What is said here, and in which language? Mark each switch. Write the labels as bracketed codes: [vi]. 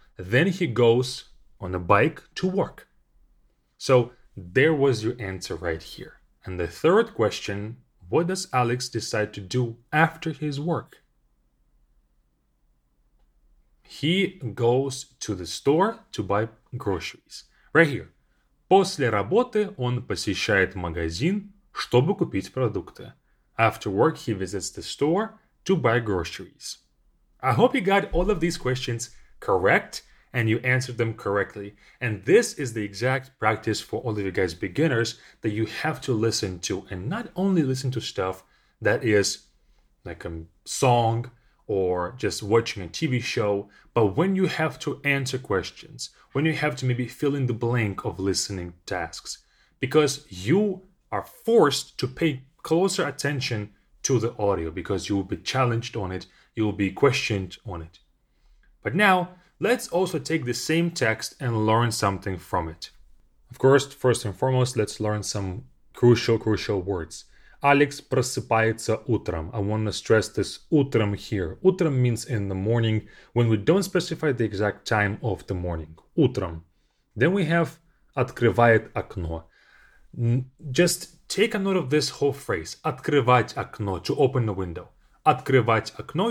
[en] Then he goes on a bike to work. So there was your answer right here. And the third question, what does Alex decide to do after his work? He goes to the store to buy groceries. Right here. [ru] После работы он посещает магазин, чтобы купить продукты. [en] After work, he visits the store to buy groceries. I hope you got all of these questions correct and you answered them correctly. And this is the exact practice for all of you guys beginners that you have to listen to. And not only listen to stuff that is like a song or just watching a TV show, but when you have to answer questions, when you have to maybe fill in the blank of listening tasks, because you are forced to pay closer attention to the audio because you will be challenged on it, you will be questioned on it. But now, let's also take the same text and learn something from it. Of course, first and foremost, let's learn some crucial words. [ru] Alex просыпается утром. [en] I want to stress this утром here. Утром means in the morning when we don't specify the exact time of the morning. [ru] Утром. [en] Then we have [ru] открывает окно. [en] Just take a note of this whole phrase. [ru] Открывать окно, [en] to open the window. [ru] Открывать окно.